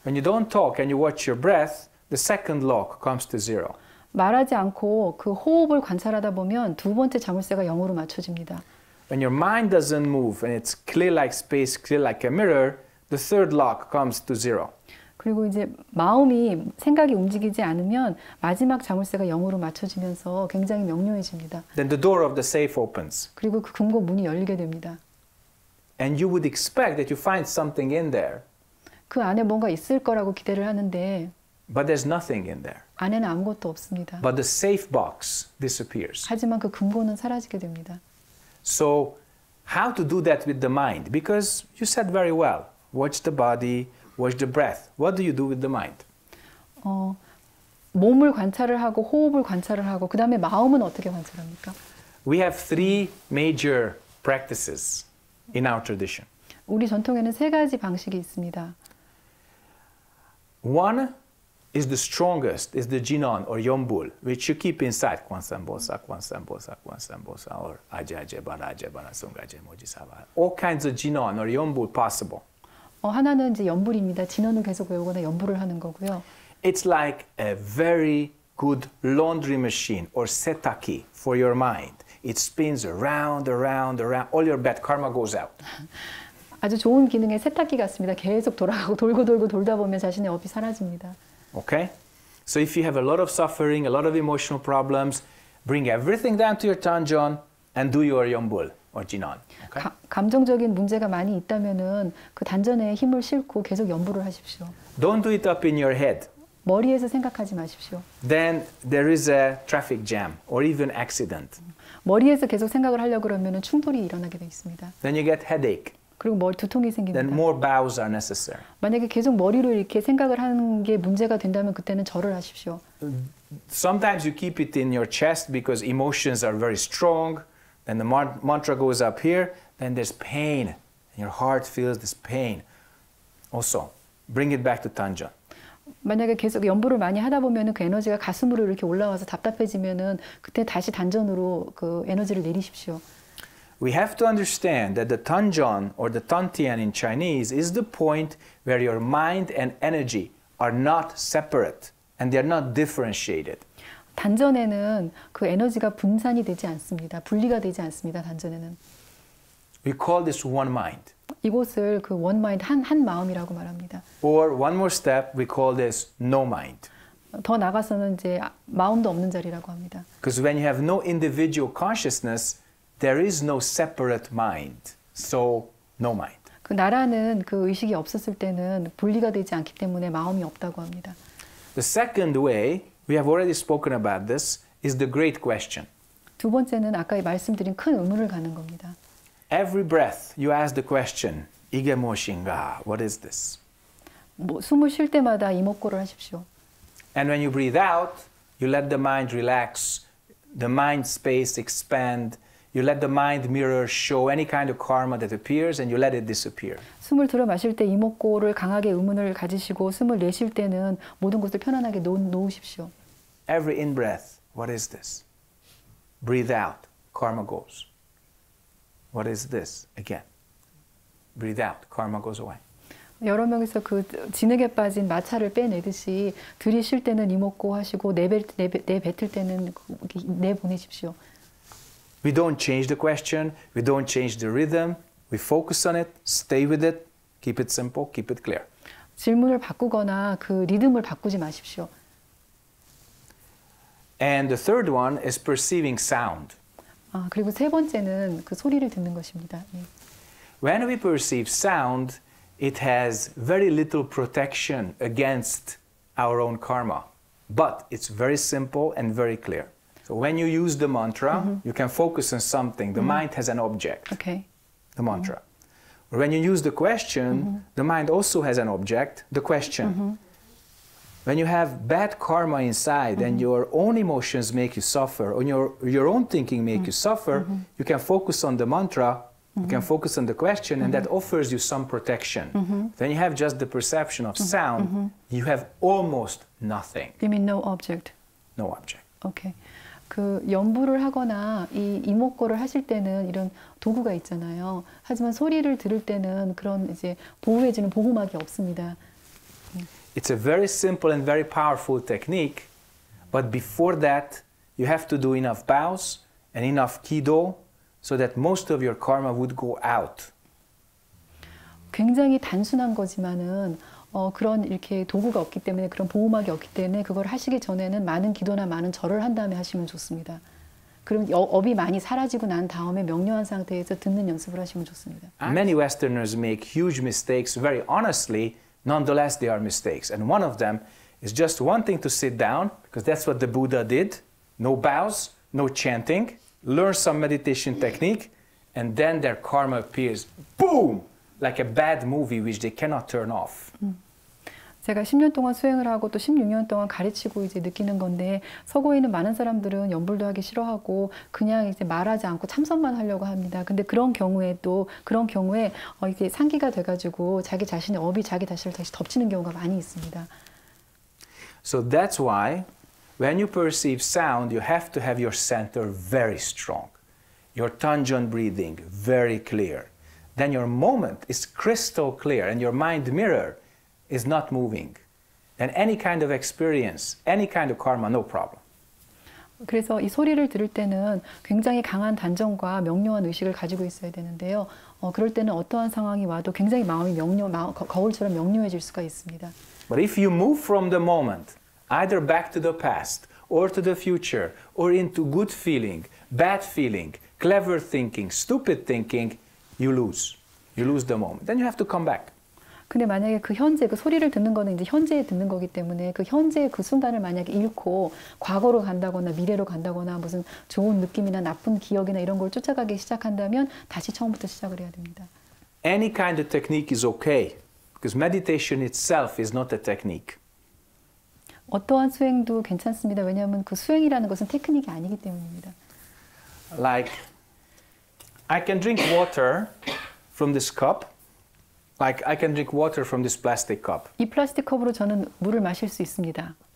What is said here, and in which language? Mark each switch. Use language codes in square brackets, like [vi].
[en] When you don't talk and you watch your breath, the second lock comes to zero. [ko] 말하지 않고 그 호흡을 관찰하다 보면 두 번째 자물쇠가 0으로 맞춰집니다. [en] When your mind doesn't move and it's clear like space, clear like a mirror, the third lock comes to zero. [ko] 그리고 이제 마음이 생각이 움직이지 않으면 마지막 자물쇠가 0으로 맞춰지면서 굉장히 명료해집니다. [en] Then the door of the safe opens. [ko] 그리고 그 금고 문이 열리게 됩니다. [en] And you would expect that you find something in there. [ko] 그 안에 뭔가 있을 거라고 기대를 하는데 [en] But there's nothing in there. [ko] 안에는 아무것도 없습니다. [en] But the safe box disappears. [ko] 하지만 그 금고는 사라지게 됩니다. [en] So, how to do that with the mind? Because you said very well, watch the body, watch the breath. What do you do with the mind? [ko] 몸을 관찰을 하고 호흡을 관찰을 하고 그 다음에 마음은 어떻게 관찰합니까? [en] We have three major practices in our tradition. [ko] 우리 전통에는 세 가지 방식이 있습니다. [en] One is the strongest, is the jinon or yombul, which you keep inside. Kwansambosa, or ajajebana, all kinds of jinon or yombul possible. [ko] 하나는 이제 연불입니다. 진원을 계속 외우거나 연불을 하는 거고요. [en] It's like a very good laundry machine or setaki for your mind. It spins around, around, around. All your bad karma goes out. [ko] 아주 좋은 기능의 세탁기 같습니다. 계속 돌아가고 돌고 돌다 보면 자신의 업이 사라집니다. [en] Okay? So if you have a lot of suffering, a lot of emotional problems, bring everything down to your tanjon and do your yombul. or not. Okay? [ko] 감정적인 문제가 많이 있다면은 그 단전에 힘을 싣고 계속 염불을 하십시오. [en] Don't do it up in your head. [ko] 머리에서 생각하지 마십시오. [en] Then there is a traffic jam or even accident. [ko] 머리에서 계속 생각을 하려고 그러면은 충돌이 일어나게 돼 있습니다. [en] Then you get headache. [ko] 그리고 머리 두통이 생깁니다. [en] Then more bows are necessary. [ko] 만약에 계속 머리로 이렇게 생각을 하는 게 문제가 된다면 그때는 절을 하십시오. [en] Sometimes you keep it in your chest because emotions are very strong. Then the mantra goes up here. Then there's pain. And your heart feels this pain. Also, bring it back to Tanjan. [ko] 만약에 계속 염불을 많이 하다 보면은 그 에너지가 가슴으로 이렇게 올라와서 답답해지면은 그때 다시 단전으로 그 에너지를 내리십시오. [en] We have to understand that the Tanjan or the Tantian in Chinese is the point where your mind and energy are not separate and they are not differentiated. [ko] 단전에는 그 에너지가 분산이 되지 않습니다. 분리가 되지 않습니다. 단전에는. [en] We call this one mind. [ko] 이곳을 그 [en] one mind [ko] 한 마음이라고 말합니다. [en] Or one more step, we call this no mind. [ko] 더 나가서는 이제 마음도 없는 자리라고 합니다. [en] Because when you have no individual consciousness, there is no separate mind. So no mind. [ko] 그 나라는 그 의식이 없었을 때는 분리가 되지 않기 때문에 마음이 없다고 합니다. [en] The second way we have already spoken about this is the great question. [ko] 두 번째는 아까 말씀드린 큰 의문을 가는 겁니다. [en] Every breath you ask the question, [ko] 이게 무엇인가? [en] What is this? [ko] 뭐 숨을 쉴 때마다 이 묻고를 하십시오. [en] And when you breathe out, you let the mind relax, the mind space expand, you let the mind mirror show any kind of karma that appears and you let it disappear. [ko] 숨을 들이마실 때 이 묻고를 강하게 의문을 가지시고 숨을 내쉴 때는 모든 것을 편안하게 놓으십시오. [en] Every in breath, what is this? Breathe out, karma goes. What is this? Again. Breathe out. Karma goes away. [ko] 여러 명에서 그 진흙에 빠진 마찰을 빼내듯이 들이쉴 때는 이목고 하시고 내뱉을 때는 내보내십시오. [en] We don't change the question. We don't change the rhythm. We focus on it. Stay with it. Keep it simple. Keep it clear. [ko] 질문을 바꾸거나 그 리듬을 바꾸지 마십시오. [en] And the third one is perceiving sound. [ko] 아, 그리고 세 번째는 그 소리를 듣는 것입니다. 예. [en] When we perceive sound, it has very little protection against our own karma. But it's very simple and very clear. So when you use the mantra, you can focus on something. The mind has an object, okay. The mantra. Mm-hmm. When you use the question, the mind also has an object, the question. When you have bad karma inside and your own emotions make you suffer, or your own thinking make you suffer, you can focus on the mantra, you can focus on the question, and that offers you some protection. Then you have just the perception of sound, you have almost nothing. You mean no object? No object. Okay. [ko] 그 염불을 하거나 이 이목고를 하실 때는 이런 도구가 있잖아요. 하지만 소리를 들을 때는 그런 이제 보호해주는 보호막이 없습니다. [en] It's a very simple and very powerful technique, but before that, you have to do enough bows and enough kido so that most of your karma would go out. [ko] 굉장히 단순한 거지만은 그런 이렇게 도구가 없기 때문에 그런 보호막이 없기 때문에 그걸 하시기 전에는 많은 기도나 많은 절을 한 다음에 하시면 좋습니다. 그럼 업이 많이 사라지고 난 다음에 명료한 상태에서 듣는 연습을 하시면 좋습니다. [en] Many Westerners make huge mistakes very honestly. Nonetheless, they are mistakes. And one of them is just wanting to sit down, because that's what the Buddha did. No bows, no chanting. Learn some meditation technique, and then their karma appears, boom, like a bad movie which they cannot turn off. [ko] 제가 10년 동안 수행을 하고 또 16년 동안 가르치고 이제 느끼는 건데 서구에 있는 많은 사람들은 염불도 하기 싫어하고 그냥 이제 말하지 않고 참선만 하려고 합니다. 근데 그런 경우에 이게 상기가 돼가지고 자기 자신의 업이 자기 자신을 다시 덮치는 경우가 많이 있습니다. [en] So that's why when you perceive sound, you have to have your center very strong, your tanjan breathing very clear. Then your moment is crystal clear and your mind mirror is not moving, then any kind of experience, any kind of karma, no problem. [ko] 그래서 이 소리를 들을 때는 굉장히 강한 단정과 명료한 의식을 가지고 있어야 되는데요. 그럴 때는 어떠한 상황이 와도 굉장히 마음이 명료, 거울처럼 명료해질 수가 있습니다. [en] But if you move from the moment, either back to the past, or to the future, or into good feeling, bad feeling, clever thinking, stupid thinking, you lose. You lose the moment. Then you have to come back. [ko] 근데 만약에 그 현재 그 소리를 듣는 거는 이제 현재에 듣는 거기 때문에 그 현재의 그 순간을 만약에 잃고 과거로 간다거나 미래로 간다거나 무슨 좋은 느낌이나 나쁜 기억이나 이런 걸 쫓아가기 시작한다면 다시 처음부터 시작을 해야 됩니다. [en] Any kind of technique is okay because meditation itself is not a technique. [ko] 어떠한 수행도 괜찮습니다. 왜냐하면 그 수행이라는 것은 테크닉이 아니기 때문입니다. [en] Like I can drink water from this cup. Like I can drink water from this plastic cup. [ko] 이 플라스틱 컵으로 저는 물을 마실 수 있습니다.